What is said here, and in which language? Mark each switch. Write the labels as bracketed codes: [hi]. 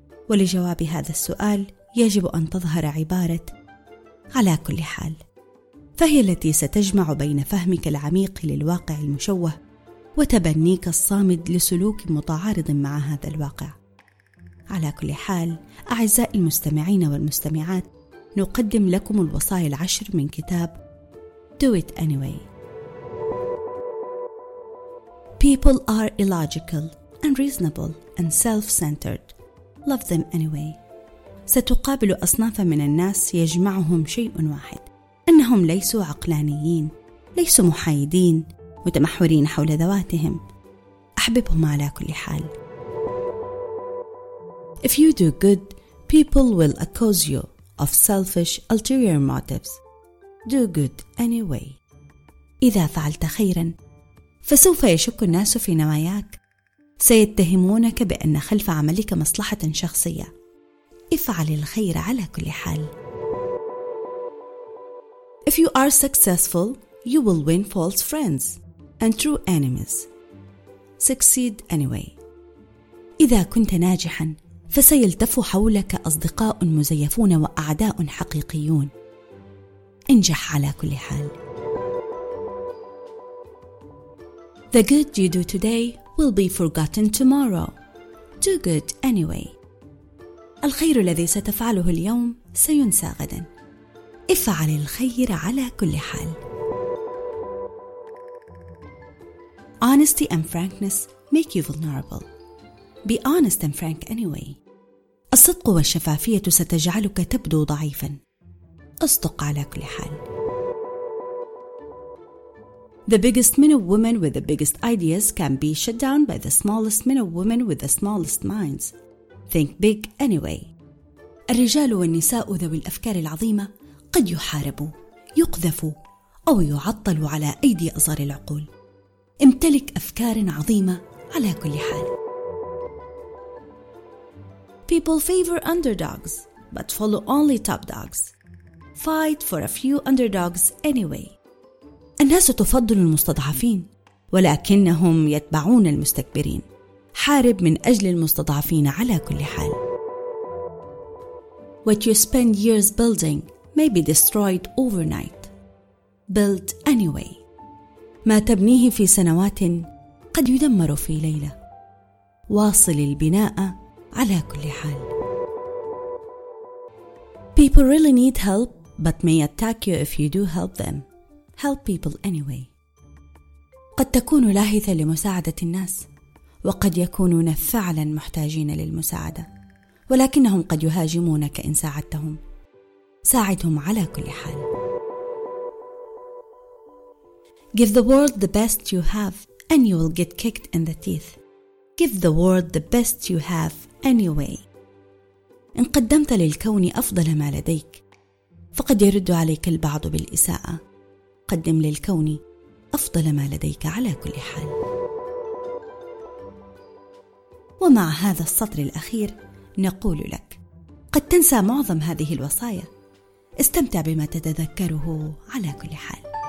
[ar] ولجواب هذا السؤال يجب أن تظهر عبارة على كل حال، فهي التي ستجمع بين فهمك العميق للواقع المشوه وتبنيك الصامد لسلوك متعارض مع هذا الواقع. على كل حال أعزائي المستمعين والمستمعات، نقدم لكم الوصايا 10 من كتاب Do It Anyway. [en] People are illogical, unreasonable, and self-centered. Love them anyway. [ar] ستقابل أصناف من الناس يجمعهم شيء واحد، أنهم ليسوا عقلانيين، ليسوا محايدين، متمحورين حول ذواتهم. أحببهم على كل حال. [en] If you do good, people will accuse you of selfish, ulterior motives. Do good anyway. [ar] إذا فعلت خيراً فسوف يشك الناس في نواياك، سيتهمونك بأن خلف عملك مصلحة شخصية. افعل الخير على كل حال. [en] If you are successful, you will win false friends and true enemies. Succeed anyway. [ar] إذا كنت ناجحا فسيلتف حولك أصدقاء مزيفون وأعداء حقيقيون. انجح على كل حال. [en] The good you do today will be forgotten tomorrow. Do good anyway. [ar] الخير الذي ستفعله اليوم سينسى غدا. افعل الخير على كل حال. [en] Honesty and frankness make you vulnerable. Be honest and frank anyway. [ar] الصدق والشفافية ستجعلك تبدو ضعيفا. أصدق على كل حال. [en] The biggest men of women with the biggest ideas can be shut down by the smallest men of women with the smallest minds. Think big anyway. [ar] الرجال والنساء ذوي الأفكار العظيمة قد يحاربوا، يقذفوا أو يعطلوا على أيدي أزار العقول. امتلك أفكار عظيمة على كل حال. [en] People favor underdogs, but follow only top dogs. Fight for a few underdogs anyway. [ar] الناس تفضل المستضعفين، ولكنهم يتبعون المستكبرين. حارب من أجل المستضعفين على كل حال. [en] What you spend years building may be destroyed overnight. Build anyway. [ar] ما تبنيه في سنوات قد يدمر في ليلة. واصل البناء على كل حال. [en] People really need help but may attack you if you do help them. Help people anyway. [ar] قد تكون لاهثا لمساعدة الناس، وقد يكونون فعلا محتاجين للمساعدة، ولكنهم قد يهاجمونك إن ساعدتهم. ساعدهم على كل حال. [en] Give the world the best you have and you will get kicked in the teeth. Give the world the best you have anyway. [ar] إن قدمت للكون أفضل ما لديك فقد يرد عليك البعض بالإساءة. قدم للكون أفضل ما لديك على كل حال. ومع هذا السطر الأخير نقول لك، قد تنسى معظم هذه الوصايا، استمتع بما تتذكره على كل حال.